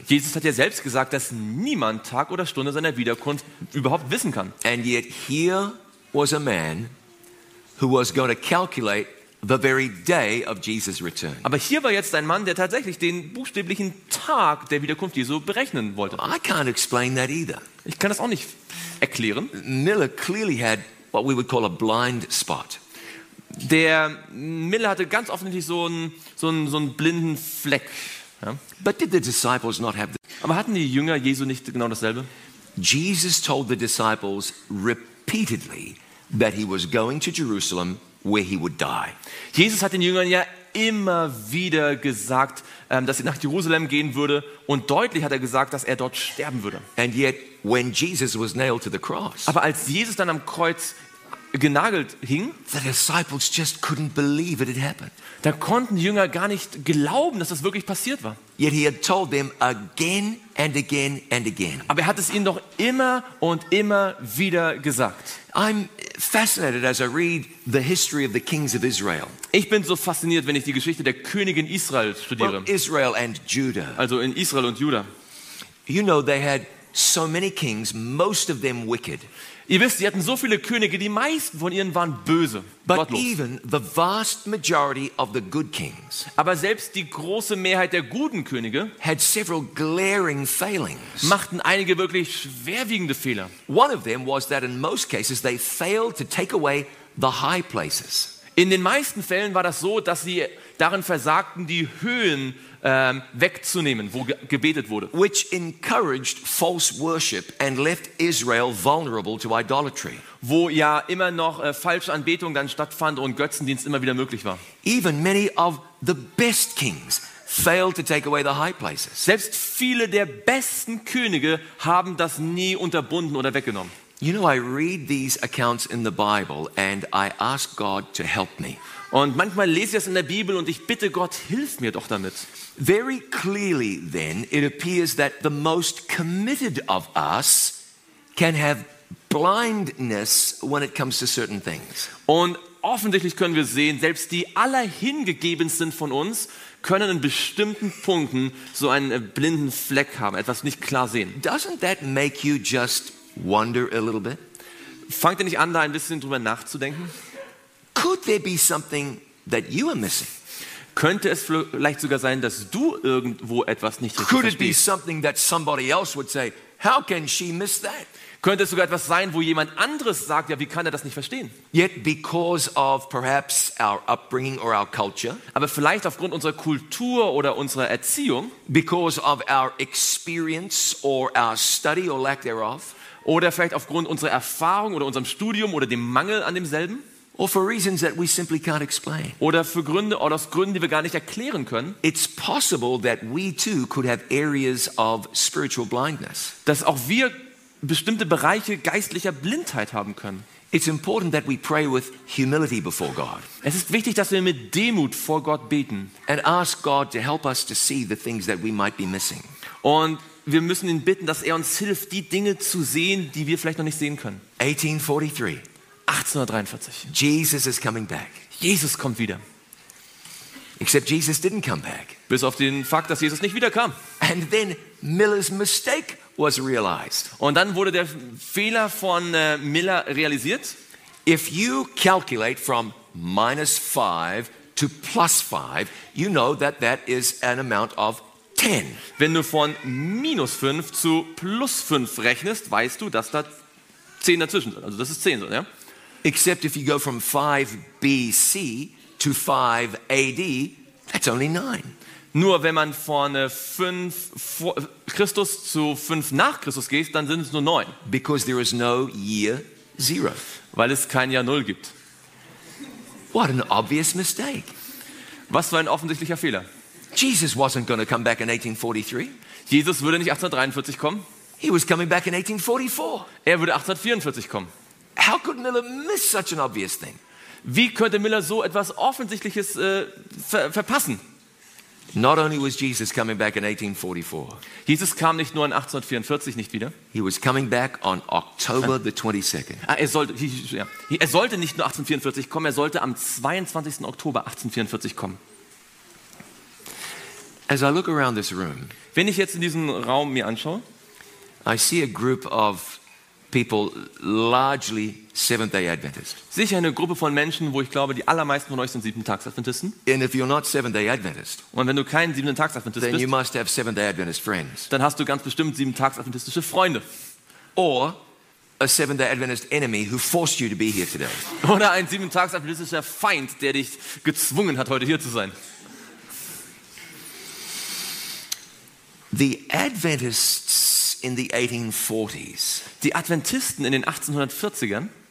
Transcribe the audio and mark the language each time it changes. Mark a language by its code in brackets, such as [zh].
[de] Jesus hat ja selbst gesagt, dass niemand Tag oder Stunde seiner Wiederkunft überhaupt wissen kann. [en] And yet here was a man who was going to calculate the very day of Jesus' return. [de] Aber hier war jetzt ein Mann, der tatsächlich den buchstäblichen Tag der Wiederkunft Jesu berechnen wollte. [en] I can't explain that either. [de] Ich kann das auch nicht erklären. [en] Miller clearly had what we would call a blind spot. [de] Der Miller hatte ganz offensichtlich so einen blinden Fleck. Ja. [en] But did the disciples not have this? [de] Aber hatten die Jünger Jesu nicht genau dasselbe? [en] Jesus told the disciples repeatedly that he was going to Jerusalem where he would die. [de] Jesus hat den Jüngern ja immer wieder gesagt, dass er nach Jerusalem gehen würde, und deutlich hat er gesagt, dass er dort sterben würde. [en] And yet, when Jesus was nailed to the cross. [de] Aber als Jesus dann am Kreuz genagelt hing, [en] the disciples just couldn't believe it had happened. [de] Da konnten die Jünger gar nicht glauben, dass das wirklich passiert war. [en] Yet he had told them again and again and again. [de] Aber er hat es ihnen doch immer und immer wieder gesagt. [en] I'm fascinated as I read the history of the kings of Israel. [de] Ich bin so fasziniert, wenn ich die Geschichte der Könige in Israel studiere. [en] Well, Israel and Judah. [de] Also in Israel und Juda. [en] You know, they had so many kings, most of them wicked. [de] Ihr wisst, sie hatten so viele Könige, die meisten von ihnen waren böse, [en] but [de] gottlos. [en] Even the vast majority of the good kings, [de] aber selbst die große Mehrheit der guten Könige, [en] had several glaring failings, [de] machten einige wirklich schwerwiegende Fehler. [en] One of them was that in most cases they failed to take away the high places. [de] In den meisten Fällen war das so, dass sie darin versagten, die Höhen wegzunehmen, wo gebetet wurde. [en] Which encouraged false worship and left Israel vulnerable to idolatry. [de] Wo ja immer noch falsche Anbetung dann stattfand und Götzendienst immer wieder möglich war. [en] Even many of the best kings failed to take away the high places. [de] Selbst viele der besten Könige haben das nie unterbunden oder weggenommen. [en] You know, I read these accounts in the Bible and I ask God to help me. [de] Und manchmal lese ich das in der Bibel und ich bitte Gott, hilf mir doch damit. [en] Very clearly then, it appears that the most committed of us can have blindness when it comes to certain things. [de] Und offensichtlich können wir sehen, selbst die allerhingegebensten von uns können in bestimmten Punkten so einen blinden Fleck haben, etwas nicht klar sehen. [en] Doesn't that make you just wonder a little bit? [de] Fangt ihr nicht an, da ein bisschen drüber nachzudenken? [en] Could there be something that you are missing? [de] Könnte es vielleicht sogar sein, dass du irgendwo etwas nicht richtig [en] Could [de] verstehst? [en] Could it be something that somebody else would say, how can she miss that? [de] Könnte es sogar etwas sein, wo jemand anderes sagt, ja, wie kann er das nicht verstehen? [en] Yet because of perhaps our upbringing or our culture, [de] aber vielleicht aufgrund unserer Kultur oder unserer Erziehung, [en] because of our experience or our study or lack thereof, [de] oder vielleicht aufgrund unserer Erfahrung oder unserem Studium oder dem Mangel an demselben, [en] or for reasons that we simply can't explain. [de] Oder für Gründe oder aus Gründen, die wir gar nicht erklären können. [en] It's possible that we too could have areas of spiritual blindness. [de] Dass auch wir bestimmte Bereiche geistlicher Blindheit haben können. [en] It's important that we pray with humility before God. [de] Es ist wichtig, dass wir mit Demut vor Gott beten. [en] And ask God to help us to see the things that we might be missing. [de] Und wir müssen ihn bitten, dass er uns hilft, die Dinge zu sehen, die wir vielleicht noch nicht sehen können. [en] 1843. [de] 1843. [en] Jesus is coming back. [de] Jesus kommt wieder. [en] Except Jesus didn't come back. [de] Bis auf den Fakt, dass Jesus nicht wiederkam. [en] And then Miller's mistake was realized. [de] Und dann wurde der Fehler von Miller realisiert. [en] If you calculate from minus 5 to plus 5, you know that that is an amount of 10. [de] Wenn du von minus 5 zu plus 5 rechnest, weißt du, dass da 10 dazwischen sind. Also das ist 10, ja? [en] Except if you go from 5 BC to 5 AD, that's only 9. [de] Nur wenn man von 5 vor Christus zu 5 nach Christus geht, dann sind es nur 9. [en] Because there is no year zero. [de] Weil es kein Jahr null gibt. [en] What an obvious mistake. [de] Was für ein offensichtlicher Fehler. [en] Jesus wasn't going to come back in 1843. [de] Jesus würde nicht 1843 kommen. [en] He was coming back in 1844. [de] Er würde 1844 kommen. [en] How could Miller miss such an obvious thing? [de] Wie könnte Miller so etwas Offensichtliches verpassen? [en] Not only was Jesus coming back in 1844. [de] Jesus kam nicht nur in 1844 nicht wieder. [en] He was coming back on October the 22nd. [de] Er sollte nicht nur 1844 kommen, er sollte am 22. Oktober 1844 kommen. [en] As I look around this room, [de] wenn ich jetzt in diesen Raum mir anschaue, [en] I see a group of people largely Seventh-day Adventists. [de] Sicher eine Gruppe von Menschen, wo ich glaube, die allermeisten von euch sind Siebenten-Tags-Adventisten. [en] And if you're not Seventh-day Adventist, [de] und wenn du kein Siebenten-Tags-Adventist bist, [en] then you must have Seventh-day Adventist friends. [de] Dann hast du ganz bestimmt Siebenten-Tags-Adventistische Freunde. [en] Or a Seventh-day Adventist enemy who forced you to be here today. [de] Oder ein Siebenten-Tags-Adventistischer Feind, der dich gezwungen hat, heute hier zu sein. [en] The Adventists in the 1840s. [de] Die Adventisten in den 1840ern